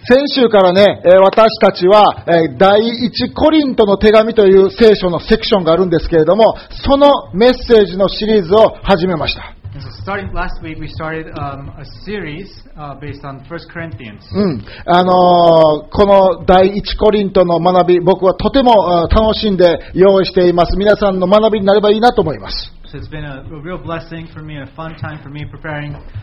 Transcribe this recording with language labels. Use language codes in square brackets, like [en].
[ja] 先週からね、私たちは、第一コリントの手紙という聖書のセクションがあるんですけれども、そのメッセージのシリーズを始めました。 [en] So starting last week, we started a series based on 1 Corinthians. [ja] この第一コリントの学び、僕はとても楽しんで用意しています。皆さんの学びになればいいなと思います。 [en] So it's been a real blessing for me, a fun time for me preparing.